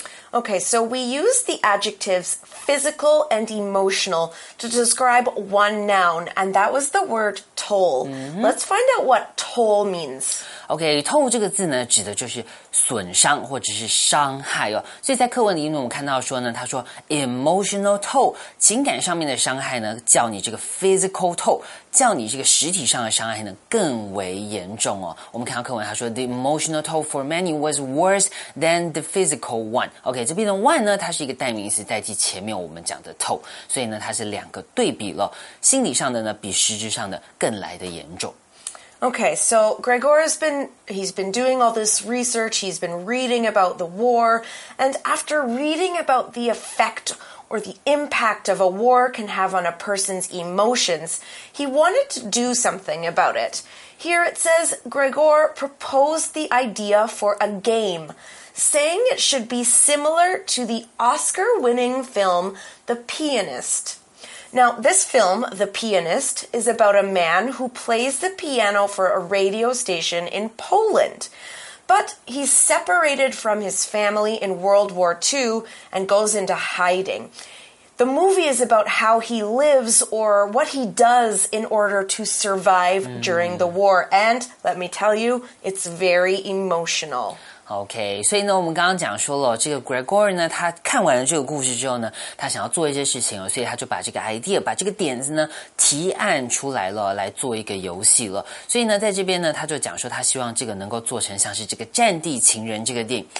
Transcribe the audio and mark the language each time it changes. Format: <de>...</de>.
<en>Okay, so we use the adjectives physical and emotional to describe one noun, and that was the word toll. Let's find out what toll means.</en> <zh>OK, 透这个字呢指的就是损伤或者是伤害哦。所以在课文里面我们看到说呢，他说 emotional toll, 情感上面的伤害呢叫你这个 physical toll, 叫你这个实体上的伤害呢更为严重哦。我们看到课文他说</zh> <en>the emotional toll for many was worse than the physical one.</en> <zh>OK, 这边的 one 呢它是一个代名词代替前面我们讲的 toll, 所以呢它是两个对比了，心理上的呢比实质上的更来的严重。</zh> <en>Okay, so Gregor has been, he's been doing all this research, he's been reading about the war, and after reading about the effect or the impact of a war can have on a person's emotions, he wanted to do something about it. Here it says, Gregor proposed the idea for a game, saying it should be similar to the Oscar-winning film, The Pianist. Now, this film, The Pianist, is about a man who plays the piano for a radio station in Poland. But he's separated from his family in World War II and goes into hiding. The movie is about how he lives or what he does in order to survive during the war. And let me tell you, it's very emotional.</en> <zh>OK, 所以呢我们刚刚讲说了这个 Gregor 呢他看完了这个故事之后呢他想要做一些事情了，所以他就把这个 idea, 把这个点子呢提案出来了，来做一个游戏了。所以呢在这边呢他就讲说他希望这个能够做成像是这个战地情人这个电影。</zh>